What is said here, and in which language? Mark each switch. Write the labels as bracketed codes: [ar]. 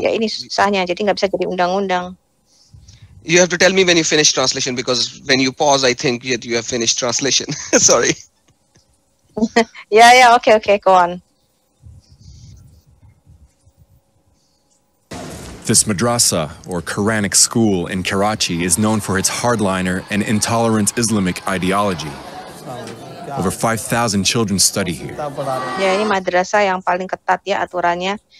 [id] Ya ini susahnya, jadi nggak bisa jadi undang-undang. [en] You have to tell me when you finish translation, because when you pause, I think that you have finished translation. Sorry. Yeah, okay, go on. This madrasa, or Quranic school in Karachi, is known for its hardliner and intolerant Islamic ideology. Over 5,000 children study here. [id] Yeah, ini madrasa yang paling ketat ya aturannya.